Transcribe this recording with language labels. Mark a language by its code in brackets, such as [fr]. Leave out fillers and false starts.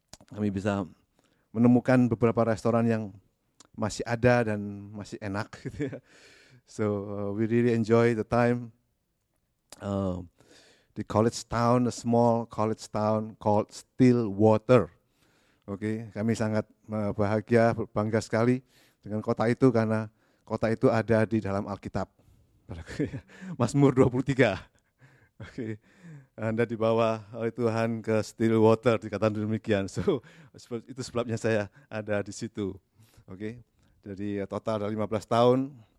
[id] Kami bisa menemukan beberapa restoran yang masih ada dan masih enak, gitu ya. [en] So we really enjoy the time. The college town, a small college town called Stillwater. [id] Okay, kami sangat bahagia, bangga sekali dengan kota itu karena kota itu ada di dalam Alkitab. Mazmur 23. Okay, Anda dibawa oleh Tuhan ke Stillwater, dikatakan demikian. So itu sebabnya saya ada di situ. Okay, jadi total ada 15 tahun.